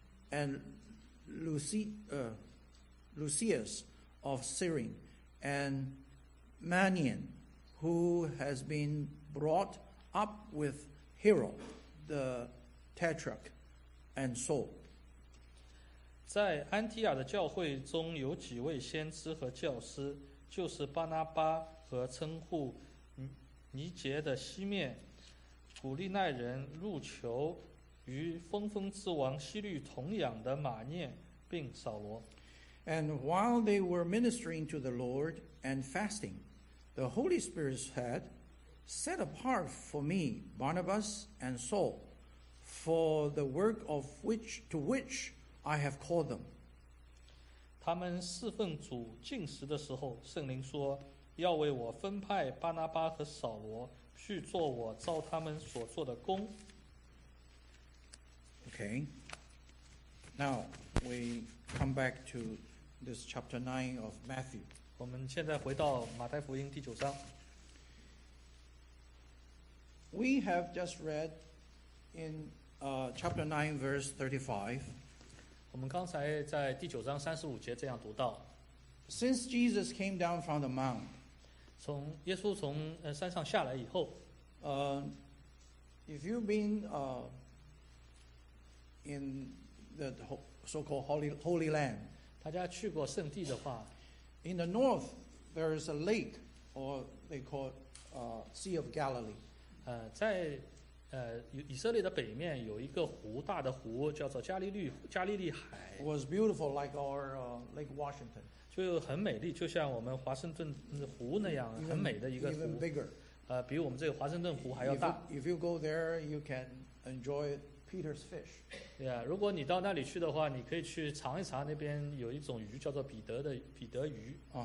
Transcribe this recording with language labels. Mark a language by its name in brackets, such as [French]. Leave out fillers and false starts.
[English] and Lucius of Cyrene, and Manian, who has been brought up with Herod the Tetrarch, and Saul. [Chinese] 在安提亚的教会中有几位先知和教师，就是巴拿巴和称呼尼杰的西面，古利奈人入囚与疯疯之王希律同养的马念，并扫罗。 [English] And while they were ministering to the Lord and fasting, the Holy Spirit said, "Set apart for me Barnabas and Saul for the work of which to which I have called them." [Chinese] 他们侍奉主禁食的时候，圣灵说，要为我分派巴拿巴和扫罗去做我召他们所做的工。 [English] Okay. Now we come back to this chapter 9 of Matthew. [Chinese] 我们现在回到马太福音第九章。 [English] We have just read in chapter 9, verse 35. [Chinese] 我们刚才在第九章三十五节这样读到， [English] Since Jesus came down from the mount, [Chinese] 从耶稣从山上下来以后， [English] if you've been in the so-called Holy Land， [Chinese] 大家去过圣地的话 [English] ，in the north there is a lake or they call Sea of Galilee。 [Chinese] 在以色列的北面有一个湖，大的湖叫做加利利海。 [English] It was beautiful like our Lake Washington。 [Chinese] 就很美丽，就像我们华盛顿湖那样很美的一个湖。 [English] Even bigger。 [Chinese] 比我们这个华盛顿湖还要大。 [English] If you go there, you can enjoy Peter's fish。 [Chinese] Yeah， 如果你到那里去的话，你可以去尝一尝那边有一种鱼叫做彼得鱼。